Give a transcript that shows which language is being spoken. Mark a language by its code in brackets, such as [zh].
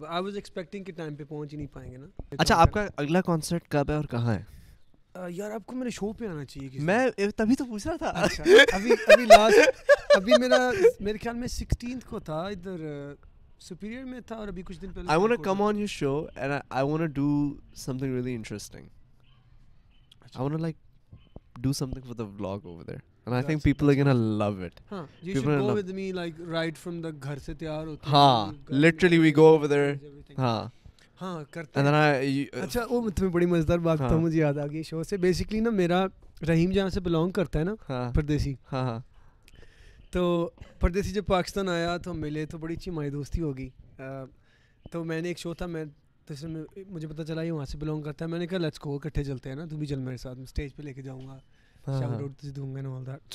[en] I was expecting [ur] کہ time پہ پہنچ ہی نہیں پائیں گے نا. اچھا آپ کا اگلا کانسرٹ کب ہے اور کہاں ہے؟ یار آپ کو میرے شو پہ آنا چاہیے, میں تبھی تو پوچھ رہا تھا. ابھی لاسٹ ابھی میرے خیال میں 16th کو تھا, ادھر سپیریئر میں تھا اور ابھی کچھ دن پہلے. [en] I want to come on your show and I want to do something really interesting. I want to like do something for the vlog over there and I think people are going to love it. Huh, you should go with me like right from the [ur] ghar se taiyar hote hain. [en] Haan, literally we go over there. [ur] Haan. اچھا وہ تمہیں بڑی مزیدار بات تو مجھے یاد آ گئی شو سے. بیسکلی نا میرا رحیم جہاں سے بلانگ کرتا ہے نا پردیسی, تو پردیسی جب پاکستان آیا تو ہم ملے تو بڑی اچھی ہماری دوستی ہوگی. تو میں نے ایک شو تھا, میں جس میں مجھے پتا چلا یہ وہاں سے بلانگ کرتا ہے, میں نے کہا [en] let's go [ur] اکٹھے چلتے ہیں نا, تو بھی چل میرے ساتھ, میں اسٹیج پہ لے کے جاؤں گا, شاہ روڈ تجھے دوں گا نا [en] All that.